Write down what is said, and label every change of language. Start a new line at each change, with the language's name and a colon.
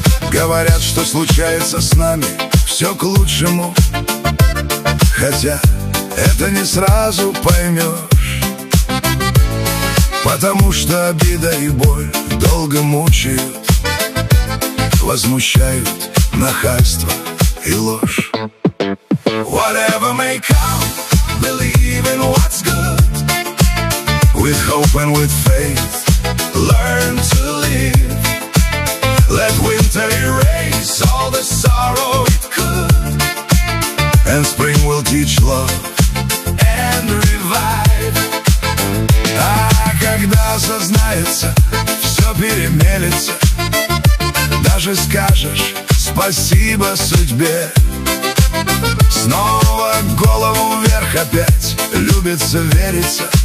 Russian: Говорят, что случается с нами все к лучшему, хотя это не сразу поймешь. Потому что обида и боль долго мучают, возмущают нахальство и ложь.
English: Whatever may come, believe in what's good. With hope and with faith, learn to live. Let winter erase all the sorrow it could. And spring will teach love and revive.
Russian: Когда осознается, все перемелется. Даже скажешь спасибо судьбе. Снова голову вверх опять любится вериться.